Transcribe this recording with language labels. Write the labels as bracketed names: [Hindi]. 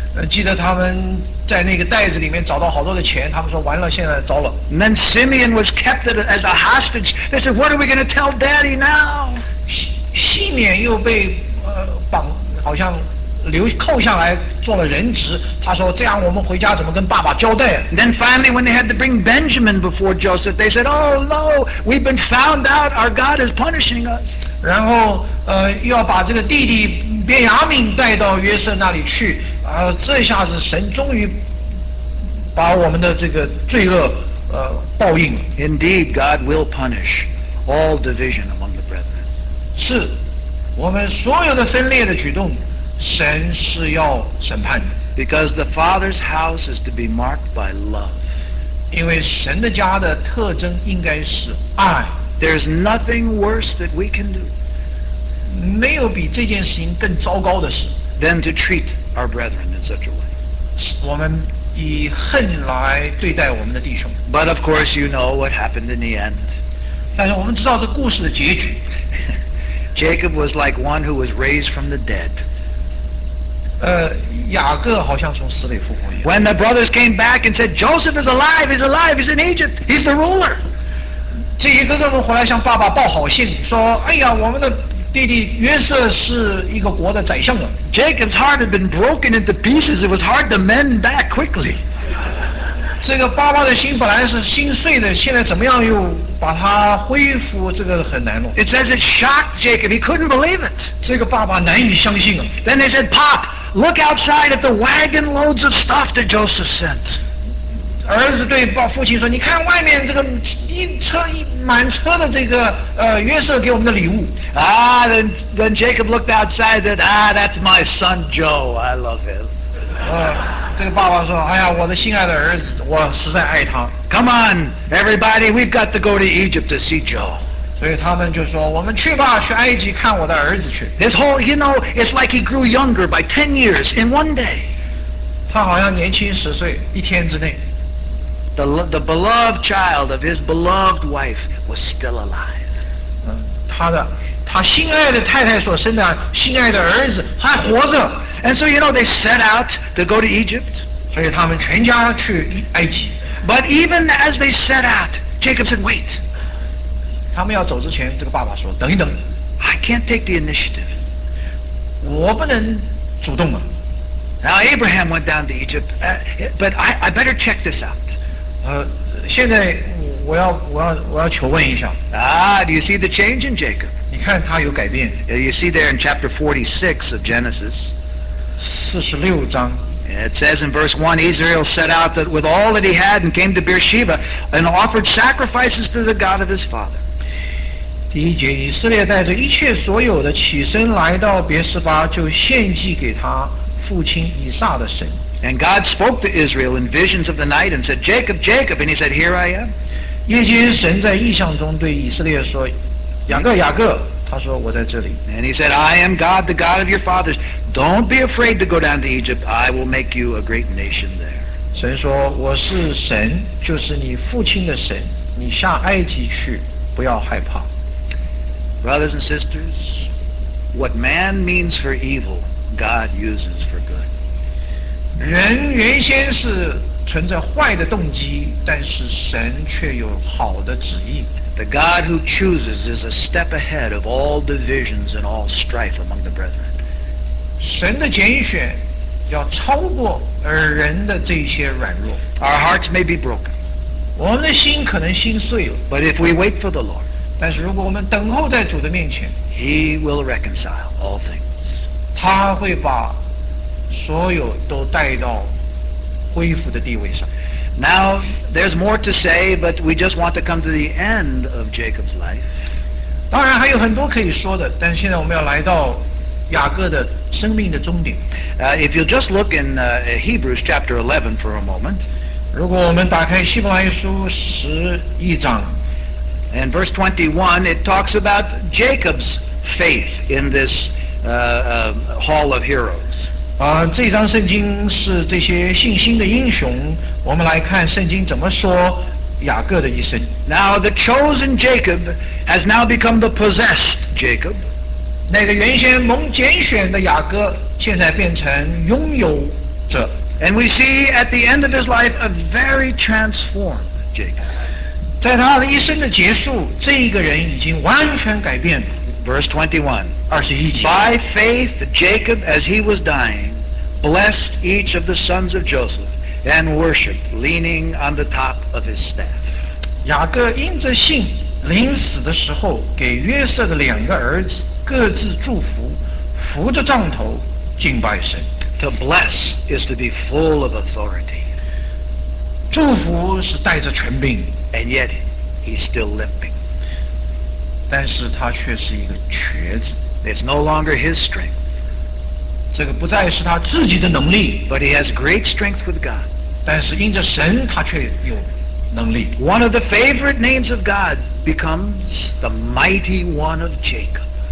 [Chinese] 记得他们在那个袋子里面找到好多的钱，他们说完了，现在糟了。 [English] And then Simeon was kept as a hostage. They said, what are we going to tell daddy now? [Chinese] 西缅又被绑，好像扣下来做了人质，他说这样我们回家怎么跟爸爸交代。 [English] Then finally when they had to bring Benjamin before Joseph, they said, oh no, we've been found out, our God is punishing us. [Chinese] 然后又要把这个弟弟便雅悯带到约瑟那里去，这下子神终于把我们的这个罪恶报应了。 [English] Indeed, God will punish all division among the brethren. [Chinese] 是我们所有的分裂的举动神是要审判的。 [English] Because the Father's house is to be marked by love. [Chinese] 因为神的家的特征应该是爱。 [English] There's nothing worse that we can do. [Chinese] 没有比这件事情更糟糕的事。 [English] Than to treat our brethren in such a way. [Chinese] 我们以恨来对待我们的弟兄。 [English] But of course you know what happened in the end. [Chinese] 但是我们知道这故事的结局。 [English] Jacob was like one who was raised from the dead. [Chinese] 雅各好像从死里复活一样。 [English] When the brothers came back and said, Joseph is alive, he's alive, he's in Egypt, he's the ruler. [Chinese] 这些哥哥们回来向爸爸报好信，说，哎呀，我们的弟弟约瑟是一个国的宰相了。 [English] Jacob's heart had been broken into pieces, it was hard to mend that quickly. [Chinese] 这个爸爸的心本来是心碎的，现在怎么样又把它恢复，这个很难弄。 [English] It says it shocked Jacob, he couldn't believe it. [Chinese] 这个爸爸难以相信了。 [English] Then they said, Pop, look outside at the wagon loads of stuff that Joseph sent. [Chinese] 儿子对父亲说，你看外面这个满车的这个约瑟给我们的礼物。 [English] Ah, then Jacob looked outside and said, ah, that's my son Joe, I love him. [Chinese] 这个爸爸说，哎呀，我的心爱的儿子，我实在爱他。 [English] Come on, everybody, we've got to go to Egypt to see Joe. [Chinese] 所以他们就说，我们去吧，去埃及看我的儿子去。 [English] His whole, you know, it's like he grew younger by 10 years in one day. [Chinese] 他好像年轻十岁，一天之内。 [English] The beloved child of his beloved wife was still alive. [Chinese] 他心爱的太太所生的心爱的儿子还活着。 [English] And so, you know, they set out to go to Egypt. [Chinese] 所以他们全家去埃及。 [English] But even as they set out, Jacob said, wait. [Chinese] 他们要走之前，这个爸爸说，等一等。 [English] I can't take the initiative. [Chinese] 我不能主动了。 [English] Now Abraham went down to Egypt, but I better check this out. [Chinese] 现在我要求问一下。 [English] Do you see the change in Jacob? [Chinese] 你看他有改变。 [English] You see there in chapter 46 of Genesis. [Chinese] 46章。 [English] It says in verse 1, Israel set out that with all that he had and came to Beersheba and offered sacrifices to the God of his father. [Chinese] 第一节，以色列带着一切所有的起身来到别示巴，就献祭给他父亲以撒的神。 [English] And God spoke to Israel in visions of the night and said, Jacob, Jacob, and he said, Here I am. [Chinese] 夜间神在异象中对以色列说，雅各，雅各。他说我在这里。 [English] And he said, I am God, the God of your fathers. Don't be afraid to go down to Egypt. I will make you a great nation there. [Chinese] 神说我是神，就是你父亲的神。你下埃及去，不要害怕。 [English] Brothers and sisters, what man means for evil, God uses for good. [Chinese] 人原先是存着坏的动机，但是神却有好的旨意。 [English] The God who chooses is a step ahead of all divisions and all strife among the brethren. [Chinese] 神的拣选要超过人的这些软弱。 [English] Our hearts may be broken. [Chinese] 我们的心可能心碎了。 [English] But if we wait for the Lord, [Chinese] 但是如果我们等候在主的面前， [English] He will reconcile all things. [Chinese] 他会把所有都带到恢复的地位上。 [English] Now, there's more to say, but we just want to come to the end of Jacob's life. [Chinese] 当然还有很多可以说的，但现在我们要来到雅各的生命的终点。 [English] If you'll just look in Hebrews chapter 11 for a moment. [Chinese] 如果我们打开希伯来书十一章。 [English] And verse 21, it talks about Jacob's faith in this hall of heroes. [Chinese] 这张圣经是这些信心的英雄，我们来看圣经怎么说雅各的一生。 [English] Now the chosen Jacob has now become the possessed Jacob. [Chinese] 那个原先蒙拣选的雅各现在变成拥有者。 [English] And we see at the end of his life a very transformed Jacob. [Chinese] 在他的一生的结束，这一个人已经完全改变了。 [English] Verse 21. By faith, Jacob, as he was dying, blessed each of the sons of Joseph and worshipped, leaning on the top of his staff. [Chinese] 雅各因着信，临死的时候给约瑟的两个儿子各自祝福，扶着杖头敬拜神。 [English] To bless is to be full of authority. [Chinese] 祝福是带着权柄。 [English] And yet, he's still limping. [Chinese] 但是他却是一个瘸子。 [English] It's no longer his strength. [Chinese] 这个不再是他自己的能力。 [English] But he has great strength with God. [Chinese] 但是因着神他却有能力。 [English] One of the favorite names of God becomes the mighty one of Jacob.